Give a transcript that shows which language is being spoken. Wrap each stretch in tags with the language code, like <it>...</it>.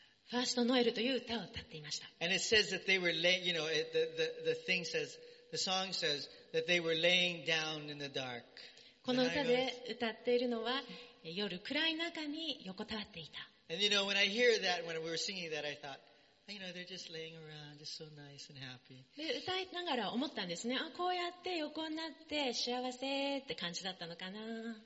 <ja>ファーストノエルという歌を歌っていました。</ja> <en>And it says that they were laying, you know, the thing says, the song says that they were laying down in the dark.</en> <ja>この歌で歌っているのは夜暗い中に横たわっていた。</ja> <en>And you know, when I hear that, when we were singing that, I thought, you know, they're just laying around, just so nice and happy.</en> <ja>で、歌いながら思ったんですね。あ、こうやって横になって幸せって感じだったのかな。</ja>